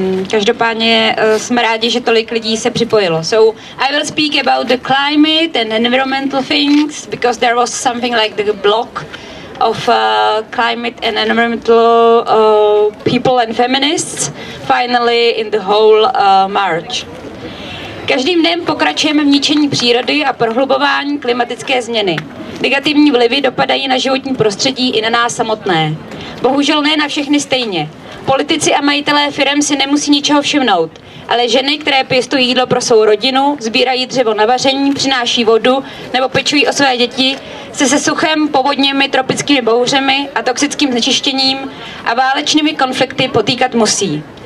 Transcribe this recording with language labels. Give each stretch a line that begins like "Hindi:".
Czech: Každopádně jsme rádi, že tolik lidí se připojilo.
English: So I will speak about the climate and environmental things because there was something like the block of climate and environmental people and feminists finally in the whole march.
Czech: Každým dnem pokračujeme v ničení přírody a prohlubování klimatické změny. Negativní vlivy dopadají na životní prostředí i na nás samotné. Bohužel ne na všechny stejně. Politici a majitelé firem si nemusí ničeho všimnout, ale ženy, které pěstují jídlo pro svou rodinu, sbírají dřevo na vaření, přináší vodu nebo pečují o své děti, se suchem, povodněmi, tropickými bouřemi a toxickým znečištěním a válečnými konflikty potýkat musí.